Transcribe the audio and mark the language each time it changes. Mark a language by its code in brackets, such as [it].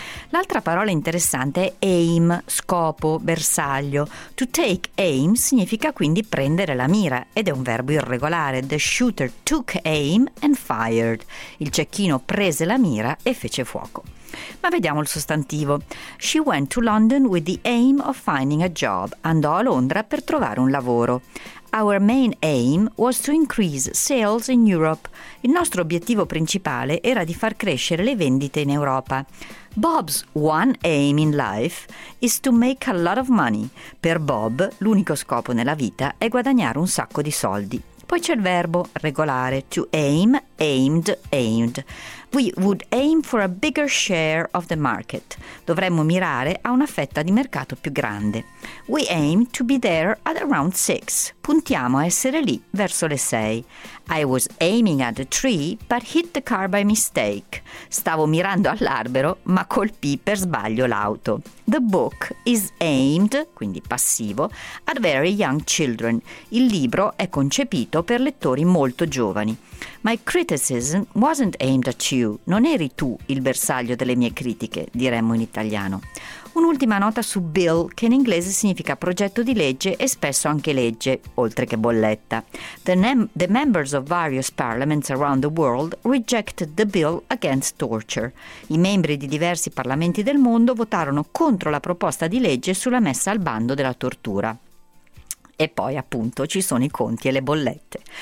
[it] L'altra parola interessante è aim, scopo, bersaglio. [en] To take aim [it] significa quindi prendere la mira, ed è un verbo irregolare. [en] The shooter took aim and fired. [it] Il cecchino prese la mira e fece fuoco. Ma vediamo il sostantivo. [en] She went to London with the aim of finding a job. [it] Andò a Londra per trovare un lavoro. [en] Our main aim was to increase sales in Europe. [it] Il nostro obiettivo principale era di far crescere le vendite in Europa. [en] Bob's one aim in life is to make a lot of money. [it] Per Bob, l'unico scopo nella vita è guadagnare un sacco di soldi. Poi c'è il verbo regolare, [en] to aim, aimed, aimed. We would aim for a bigger share of the market. [it] Dovremmo mirare a una fetta di mercato più grande. [en] We aim to be there at around 6. [it] Puntiamo a essere lì verso le 6. [en] I was aiming at the tree, but hit the car by mistake. [it] Stavo mirando all'albero, ma colpì per sbaglio l'auto. [en] The book is aimed, [it] quindi passivo, [en] at very young children. [it] Il libro è concepito per lettori molto giovani. [en] My criticism wasn't aimed at you. [it] Non eri tu il bersaglio delle mie critiche, diremmo in italiano. Un'ultima nota su bill, che in inglese significa progetto di legge e spesso anche legge, oltre che bolletta. [en] The members of various parliaments around the world rejected the bill against torture. [it] I membri di diversi parlamenti del mondo votarono contro la proposta di legge sulla messa al bando della tortura. E poi, appunto, ci sono i conti e le bollette.